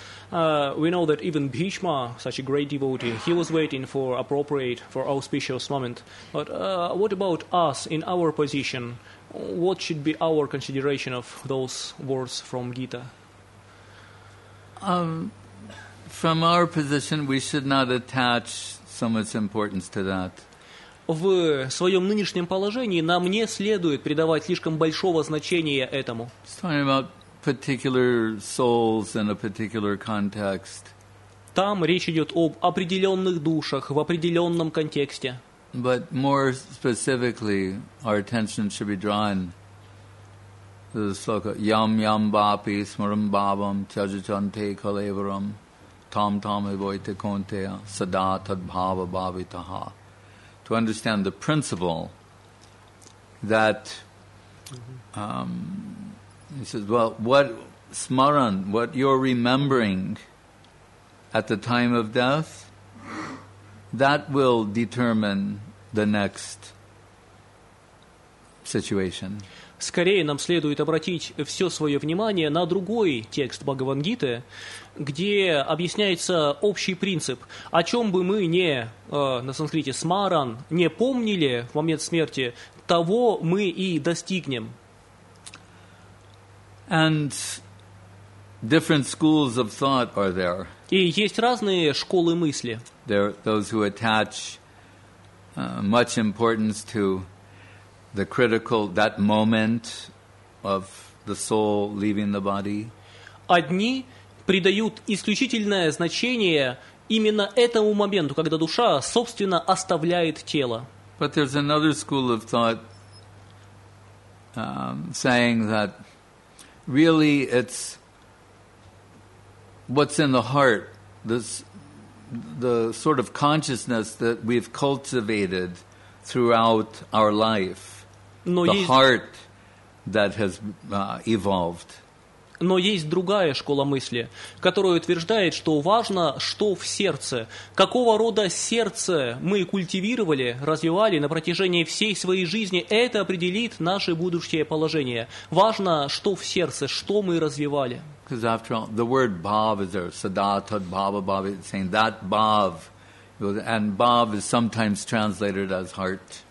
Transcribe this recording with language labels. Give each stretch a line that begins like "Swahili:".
English: We know that even Bhishma, such a great devotee, he was waiting for appropriate, for auspicious moment. But what about us in our position? What should be our consideration of those words from Gita? From our position, we should not attach so much importance to that.
Russian: В своем нынешнем положении нам не следует придавать слишком большого значения этому.
English: He's talking about particular souls in a particular context.
Russian: Там речь идет об определенных душах в определенном контексте.
English: But more specifically, our attention should be drawn to the sloka
Sanskrit: yam yam bapi smaram babam chajachante kalevaram tam tam evoite konteya sada tad bhava bhavitaha.
English: To understand the principle that he says, well, what smaran, what you're remembering at the time of death, that will determine the next situation.
Russian: Скорее нам следует обратить все свое внимание на другой текст Бхагавангиты, где объясняется общий принцип. О чем бы мы не, на санскрите смаран, не помнили в момент смерти, того мы и достигнем.
English: And different schools of thought are there.
Russian: И есть разные школы мысли.
English: There are those who attach much importance to the critical, that moment of the soul leaving the body.
Russian: Одни придают исключительное значение именно этому моменту, когда душа, собственно, оставляет тело.
English: But there's another school of thought saying that really, it's what's in the heart, the sort of consciousness that we've cultivated throughout our life, heart that has evolved.
Russian: Но есть другая школа мысли, которая утверждает, что важно, что в сердце, какого рода сердце мы культивировали, развивали на протяжении всей своей жизни, это определит наше будущее положение. Важно, что в сердце, что мы развивали.
English: Because after all, the word bhav is there,
Sanskrit: sadatad bhava bhava,
English: it's saying that bhav, and bhav is sometimes translated as heart.